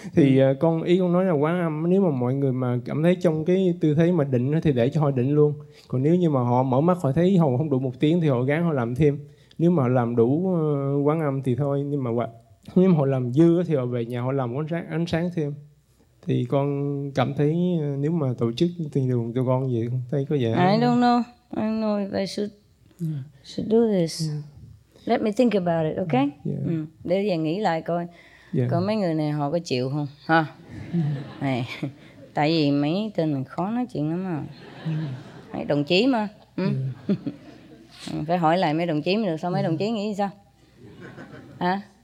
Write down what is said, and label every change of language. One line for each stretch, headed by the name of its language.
Vietnamese: Thì con nói là quán âm, nếu mà mọi người mà cảm thấy trong cái tư thế mà định thì để cho họ định luôn. Còn nếu như mà họ mở mắt họ thấy họ không đủ một tiếng thì họ gắng họ làm thêm. Nếu mà làm đủ quán âm thì thôi, nhưng mà họ làm dư thì họ về nhà họ làm quán sáng, ánh sáng thêm. Thì con cảm thấy nếu mà tổ chức tiền đường cho con vậy không thấy có vẻ...
English: I don't know if I should do this. Let me think about it, okay?
Vietnamese: Để về nghĩ lại coi.
English: Yeah.
Vietnamese: Coi mấy người này họ có chịu không? Ha? Này, tại vì mấy tên này khó nói chuyện lắm à. Đồng chí mà. Phải hỏi lại mấy đồng chí mới được. Sao mấy đồng chí nghĩ sao? Hả?